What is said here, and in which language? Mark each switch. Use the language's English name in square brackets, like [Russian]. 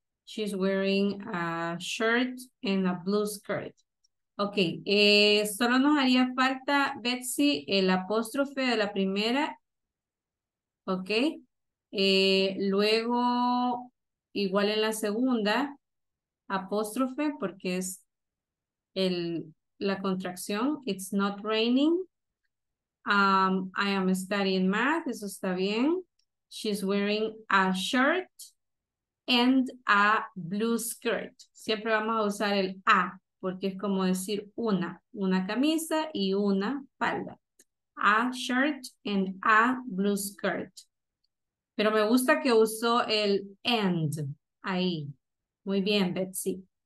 [English] She's wearing a shirt and a blue skirt. [Spanish] Ok, solo nos haría falta, Betsy, el apóstrofe de la primera. Ok, luego igual en la segunda, apóstrofe, porque es la contracción. [English] It's not raining. I am studying math. [Spanish] Eso está bien. [English] She's wearing a shirt and a blue skirt. [Spanish] Siempre vamos a usar el a, porque es como decir una camisa y una falda. [English] A shirt and a blue skirt. [Spanish] Pero me gusta que usó el and ahí. Muy bien, Betsy.